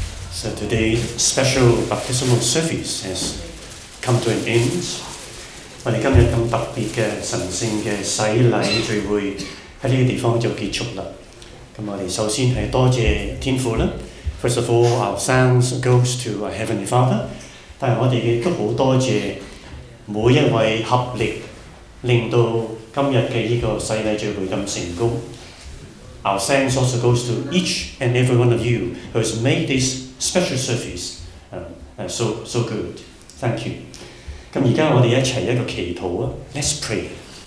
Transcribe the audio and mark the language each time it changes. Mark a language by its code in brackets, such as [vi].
[en] So today's special baptismal service has come to an end. [yue] 我哋今日咁特別嘅神聖嘅洗禮聚會喺呢個地方就結束啦。咁我哋首先係多謝天父啦。 [en] First of all, our thanks goes to our Heavenly Father. [yue] 但係我哋亦都好多謝每一位合力令到今日嘅呢個洗禮聚會咁成功。 [en] Our thanks also goes to each and every one of you who has made this special service so good. Thank you. [yue] 咁而家我哋一齊一個祈禱啊 [en] ，Let's pray.